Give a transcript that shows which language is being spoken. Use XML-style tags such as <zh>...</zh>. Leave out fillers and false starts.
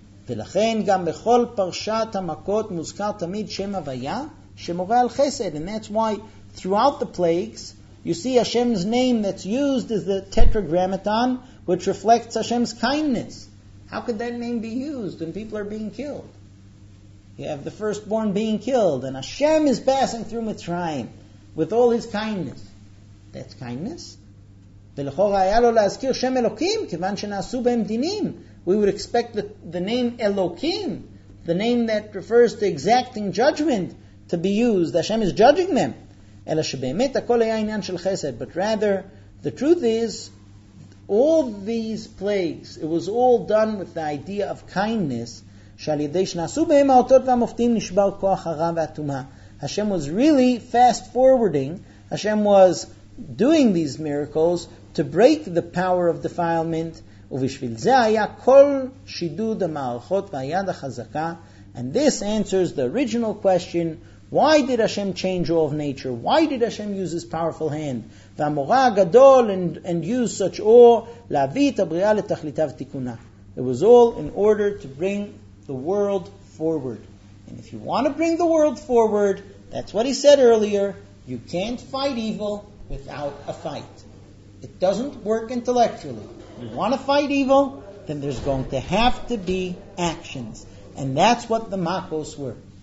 <he>ולכן גם בכל פרשת המכות מוזכר תמיד שם הוויה שמורה על חסד.</he> <en>And that's why throughout the plagues you see Hashem's name that's used as the tetragrammaton which reflects Hashem's kindness. How could that name be used when people are being killed? You have the firstborn being killed and Hashem is passing through Mitzrayim with all his kindness. That's kindness.</en> <he>ולכאורה היה לו להזכיר שם אלוקים כיוון שנעשו בהם דינים.</he> <en>We would expect the name Elohim, the name that refers to exacting judgment, to be used. Hashem is judging them.</en> <he>אלא שבאמת הכל היה עניין של חסד.</he> <en>But rather, the truth is, all these plagues, it was all done with the idea of kindness,</en> <he>שעל ידי שנעשו בהם האותות והמופתים נשבר כוח הרע והטומאה.</he> <en>Hashem was really fast-forwarding. Hashem was doing these miracles to break the power of defilement.</en> <he>ובשביל זה היה כל שידוד המערכות והיד החזקה.</he> <en>And this answers the original question, why did Hashem change all of nature? Why did Hashem use his powerful hand?</en> <he>והמורה הגדול</he> <en>and use such awe</en> <he>להביא את הבריאה לתכליתה ותיקונה.</he> <en>It was all in order to bring the world forward. And if you want to bring the world forward, that's what he said earlier, you can't fight evil without a fight. It doesn't work intellectually. You want to fight evil, then there's going to have to be actions. And that's what the Makos were.</en>